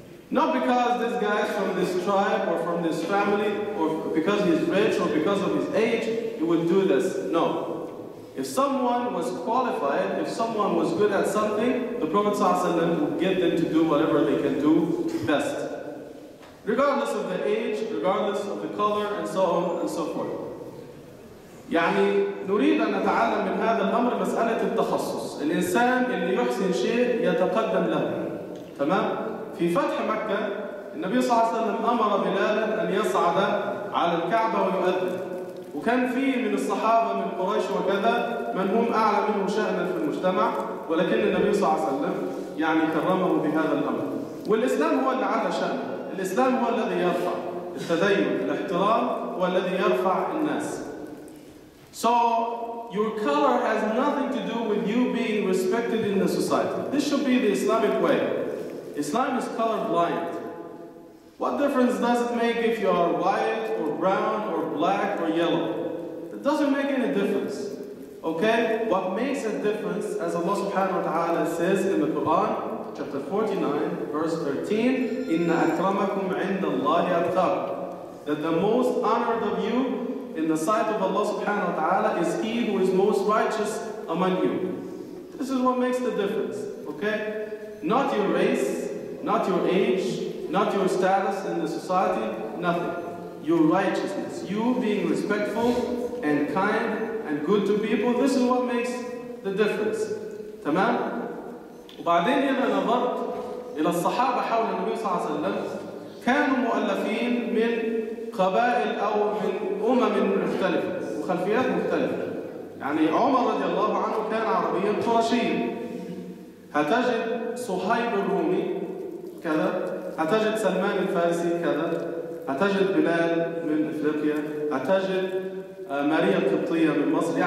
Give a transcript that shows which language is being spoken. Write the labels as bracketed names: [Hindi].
[English] Not because this guy is from this tribe or from this family or because he's rich or because of his age, he would do this. No. If someone was qualified, if someone was good at something, the Prophet [Arabic] صلى الله عليه وسلم [English] would get them to do whatever they can do best. Regardless of the age, regardless of the color, and so on and so forth. [Arabic] يعني نريد أن نتعلم من هذا الأمر مسألة التخصص. الإنسان اللي يحسن شيء يتقدم له, تمام؟ في فتح مكة النبي صلى الله عليه وسلم أمر بلالا أن يصعد على الكعبة ويؤذن, وكان فيه من الصحابة من قريش وكذا من هم أعلى منه شأنا في المجتمع, ولكن النبي صلى الله عليه وسلم يعني كرمه بهذا الأمر, والإسلام هو اللي على شأنه. الإسلام هو الذي يرفع التدين الاحترام هو الذي يرفع الناس. [English] So your color has nothing to do with you being respected in the society. This should be the Islamic way. Islam is color blind. What difference does it make if you are white or brown or black or yellow? It doesn't make any difference. Okay? What makes a difference, as Allah subhanahu wa ta'ala says in the Quran, chapter 49, verse 13, [Arabic] إِنَّ أَكْرَمَكُمْ عِنْدَ اللَّهِ أَتْقَاكُمْ, [English] that the most honored of you in the sight of Allah subhanahu wa ta'ala is he who is most righteous among you. This is what makes the difference, okay? Not your race, not your age, not your status in the society, nothing. Your righteousness, you being respectful and kind and good to people, this is what makes the difference. [Arabic] Tamam? وبعدين إذا نظرت إلى الصحابة حول النبي صلى الله عليه وسلم كانوا مؤلفين من قبائل أو من أمم مختلفة وخلفيات مختلفة. يعني عمر رضي الله عنه كان عربيا قرشيا. هتجد صهيب الرومي كذا, هتجد سلمان الفارسي كذا, هتجد بلال من إفريقيا, هتجد ماريا القبطية من مصر.